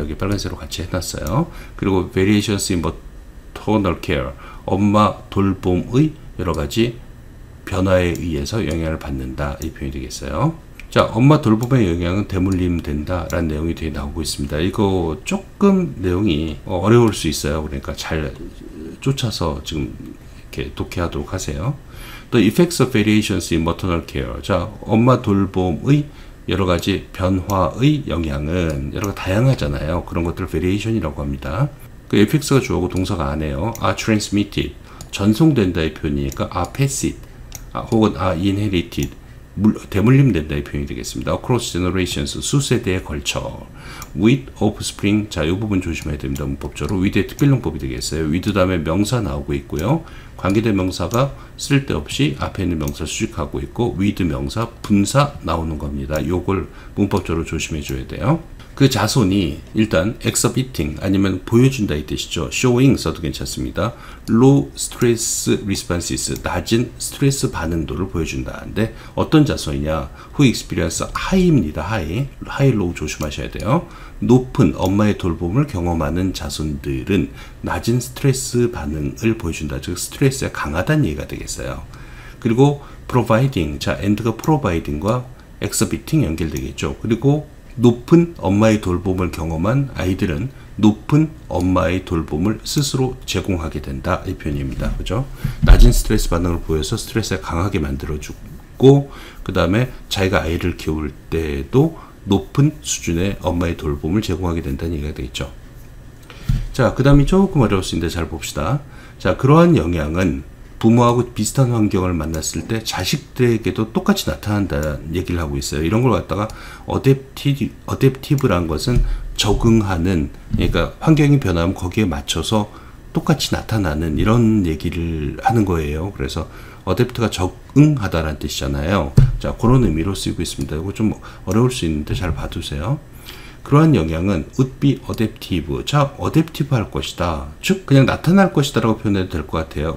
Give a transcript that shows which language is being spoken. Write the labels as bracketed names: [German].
[Korean] 여기 빨간색으로 같이 해놨어요. 그리고 [English] variations in maternal care, [Korean] 엄마 돌봄의 여러 가지 변화에 의해서 영향을 받는다. 이 표현이 되겠어요. 자, 엄마 돌봄의 영향은 대물림된다 라는 내용이 뒤에 나오고 있습니다. 이거 조금 내용이 어려울 수 있어요. 그러니까 잘 쫓아서 지금 이렇게 독해하도록 하세요. [English] The effects of variations in maternal care. [Korean] 자, 엄마 돌봄의 여러 가지 변화의 영향은 여러 가지 다양하잖아요. 그런 것들을 variation이라고 합니다. 그 effects가 주어고 동사가 아니에요. [English] are transmitted. [Korean] 전송된다의 표현이니까 are passed. 혹은 are inherited, 대물림된다의 표현이 되겠습니다. [English] across generations, [Korean] 수세대에 걸쳐 [English] with offspring, [Korean] 자, 이 부분 조심해야 됩니다. 문법적으로 with의 특별용법이 되겠어요. with 다음에 명사 나오고 있고요. 관계대명사가 쓸데없이 앞에 있는 명사 수식하고 있고 with 명사 분사 나오는 겁니다. 이걸 문법적으로 조심해 줘야 돼요. 그 자손이 일단 exhibiting 아니면 보여준다 이 뜻이죠. showing 써도 괜찮습니다. [English] low stress responses, [Korean] 낮은 스트레스 반응도를 보여준다는데 어떤 자손이냐, [English] who experience high [Korean] 입니다. high, high, low 조심하셔야 돼요. 높은 엄마의 돌봄을 경험하는 자손들은 낮은 스트레스 반응을 보여준다. 즉 스트레스에 강하다는 얘기가 되겠어요. 그리고 providing, 자, and가 providing과 exhibiting 연결되겠죠. 그리고 높은 엄마의 돌봄을 경험한 아이들은 높은 엄마의 돌봄을 스스로 제공하게 된다. 이 표현입니다. 그죠? 낮은 스트레스 반응을 보여서 스트레스를 강하게 만들어주고, 그 다음에 자기가 아이를 키울 때에도 높은 수준의 엄마의 돌봄을 제공하게 된다는 얘기가 되겠죠. 자, 그 다음이 조금 어려울 수 있는데 잘 봅시다. 자, 그러한 영향은 부모하고 비슷한 환경을 만났을 때 자식들에게도 똑같이 나타난다는 얘기를 하고 있어요. 이런 걸 갖다가 adaptive란 것은 적응하는, 그러니까 환경이 변하면 거기에 맞춰서 똑같이 나타나는 이런 얘기를 하는 거예요. 그래서 adapt가 적응하다라는 뜻이잖아요. 자, 그런 의미로 쓰이고 있습니다. 이거 좀 어려울 수 있는데 잘 봐두세요. 그러한 영향은 [English] would be adaptive. [Korean] 자, adaptive 할 것이다. 즉, 그냥 나타날 것이다 라고 표현해도 될 것 같아요.